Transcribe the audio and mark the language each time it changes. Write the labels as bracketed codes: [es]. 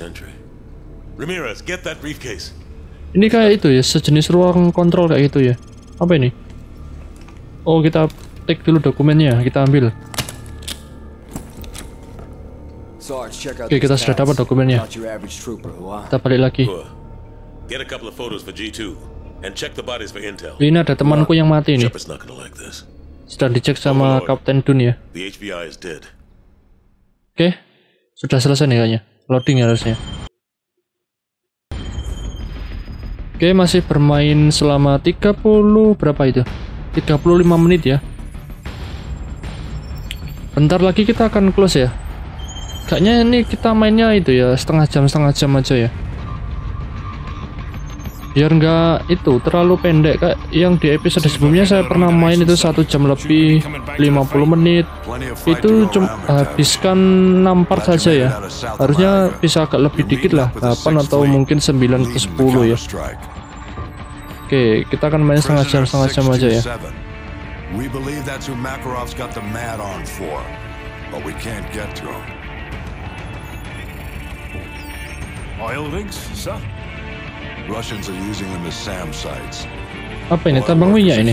[en] entry. Ramirez, get that briefcase. [id] Ini kayak itu ya, sejenis ruang kontrol kayak gitu ya. Apa ini? Oh, kita take dulu dokumennya, kita ambil. Oke, kita sudah dapat dokumennya. Kita balik lagi. [en] Get a couple of photos for G2 and check the bodies for intel. [id] Ini ada temanku yang mati nih. Sudah dicek sama Kapten Dun ya. [en] The HBI is dead. [id] Oke. Sudah selesai nih kayaknya. Loading ya harusnya. Oke, masih bermain selama 30 berapa itu? 35 menit ya. Bentar lagi kita akan close ya. Kayaknya ini kita mainnya itu ya, setengah jam aja ya. Biar nggak itu terlalu pendek, kayak yang di episode sebelumnya saya pernah main itu 1 jam lebih 50 menit. Itu cuma habiskan 6 part saja ya. Harusnya bisa agak lebih dikit lah, 8 atau mungkin 9 atau 10 ya. Oke, kita akan main setengah jam aja ya. [en] We believe that's who Makarov's got the mad on for, but we can't get to him. Oil rigs, sir? Russians are using them as SAM sites. [id] Apa ini? Tambang minyak ini?